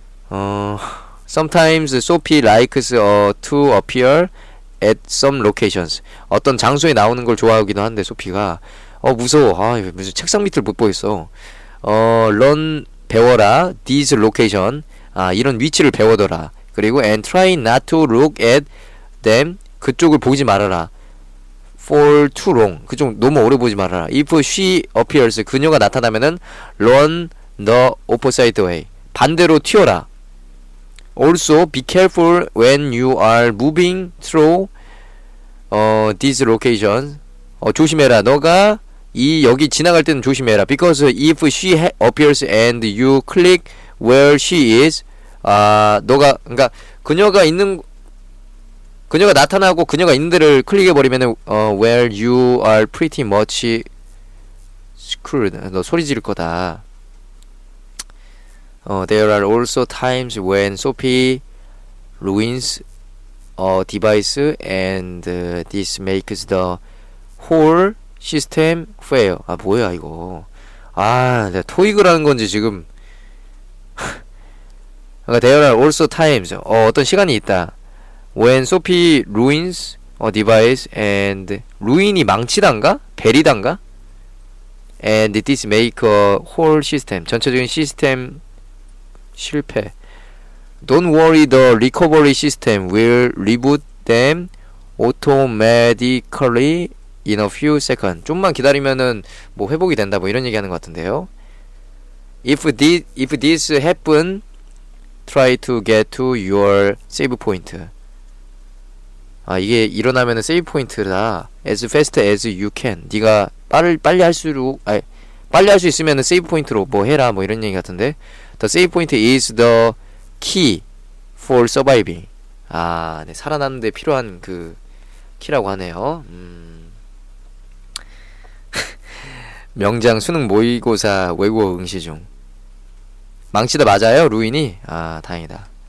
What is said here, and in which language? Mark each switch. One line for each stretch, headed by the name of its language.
English: 아. Sometimes Sophie likes to appear at some locations.
Korean: 어떤 장소에 나오는 걸 좋아하기도 한데 소피가 무서워. 아, 무슨 책상 밑을 못 보겠어. 런 배워라. This location. 아, 이런 위치를 배워둬라.
English: 그리고 and try not to look at them.
Korean: 그쪽을 보지 말아라. For too long. 그쪽 너무 오래 보지 말아라.
English: If she appears. 그녀가 나타나면은 run the opposite way. 반대로 튀어라. Also be careful when you are moving through this location.
Korean: 조심해라. 너가 이 여기 지나갈 때는 조심해라.
English: Because if she appears and you click where she is, 너가 그러니까 그녀가 있는 그녀가 나타나고 그녀가 있는 데를 클릭해 버리면은 where you are pretty much screwed.
Korean: 너 소리 지를 거다.
English: There are also times when Sophie ruins a device and this makes the whole system fail.
Korean: 아 뭐야 이거. 아 내가 토익을 하는 건지 지금.
English: There are also times 어떤 시간이 있다. When Sophie ruins a device and ruin이 망치단가? 베리단가? And this make a whole system. 전체적인 시스템 실패. Don't worry, the recovery system will reboot them automatically in a few seconds.
Korean: 좀만 기다리면은 뭐 회복이 된다 뭐 이런 얘기 하는 것 같은데요.
English: If this happen, try to get to your save point. 아 이게 일어나면은 save point다. As fast as you can.
Korean: 네가 빨리 할 수 있으면은 save point로 뭐 해라 뭐 이런 얘기 같은데.
English: The save point is the key for surviving.
Korean: 아, 네. 살아남는 데 필요한 그 키라고 하네요. 명장 수능 모의고사 외국어 응시 중. 망치다 맞아요? 루인이? 아 다행이다.